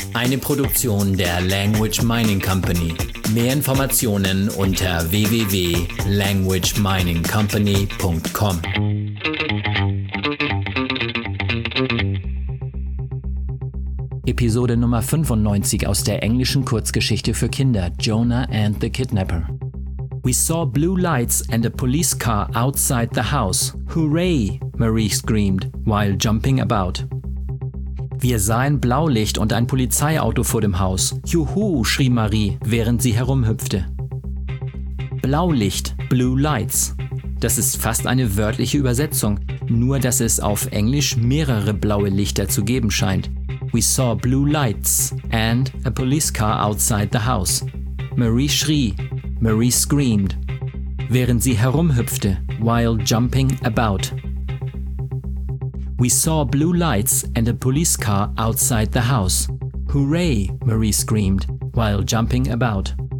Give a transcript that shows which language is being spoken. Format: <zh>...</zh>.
<de>Eine Produktion der Language Mining Company. Mehr Informationen unter www.languageminingcompany.com. Episode Nummer 95 aus der englischen Kurzgeschichte für Kinder, Jonah and the Kidnapper.</de> <en>We saw blue lights and a police car outside the house. Hooray, Marie screamed, while jumping about.</en> <de>Wir sahen Blaulicht und ein Polizeiauto vor dem Haus. Juhu, schrie Marie, während sie herumhüpfte. Blaulicht,</de> <en>blue lights.</en> <de>Das ist fast eine wörtliche Übersetzung, nur dass es auf Englisch mehrere blaue Lichter zu geben scheint.</de> <en>We saw blue lights and a police car outside the house.</en> <de>Marie schrie.</de> <en>Marie screamed.</en> <de>Während sie herumhüpfte,</de> <en>while jumping about. We saw blue lights and a police car outside the house. Hooray, Marie screamed, while jumping about.</en>